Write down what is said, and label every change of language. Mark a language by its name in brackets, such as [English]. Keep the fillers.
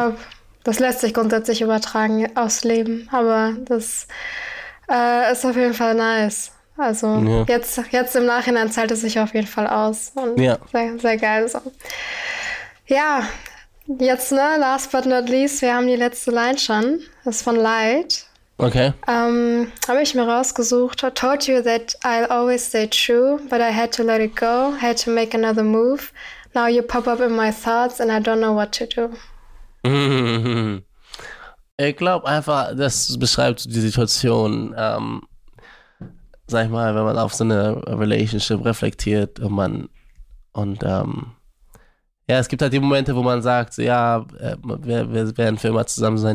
[German] glaube, das lässt sich grundsätzlich übertragen aufs Leben, aber das äh, ist auf jeden Fall nice. Also Ja. jetzt, jetzt im Nachhinein zahlt es sich auf jeden Fall aus und Ja. sehr, sehr geil so. Ja, jetzt ne, [English] last but not least, [German] wir haben die letzte Line schon, das ist von Light. Okay. Ähm, habe ich mir rausgesucht. [English] I told you that I'll always stay true, but I had to let it go, had to make another move. Now you pop up in my thoughts and I don't know what to do. Mhm. [German] Ich glaube einfach, das beschreibt die Situation, ähm, sag ich mal, wenn man auf so eine Relationship reflektiert und man und ähm, ja, es gibt halt die Momente, wo man sagt, so, ja, äh, wir, wir werden für immer zusammen sein.